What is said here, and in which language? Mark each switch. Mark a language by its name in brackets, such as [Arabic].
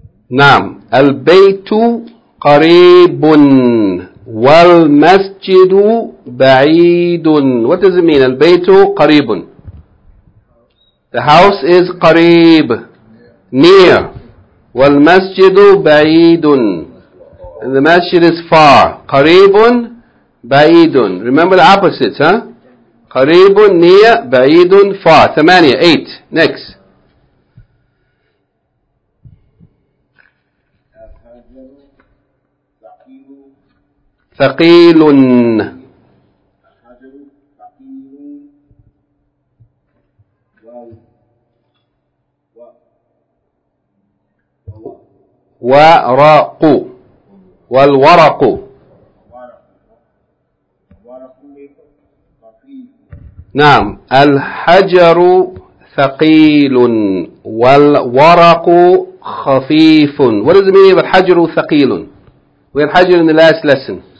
[Arabic] نعم البيت قريب والمسجد بعيد. [English] What does it mean? [Arabic] البيت قريب. [English] The house is قريب, near. [Arabic] والمسجد بعيد. [English] And the masjid is far. [Arabic] قريب بعيد. [English] Remember the opposites, huh? قريب near, بعيد far. ثمانية, eight. Next. [Arabic] ثقيل. ورق. والورق. نعم الحجر ثقيل والورق خفيف. [English] What does it mean [Arabic] الحجر ثقيل؟ [English] We had حجر in the last lesson.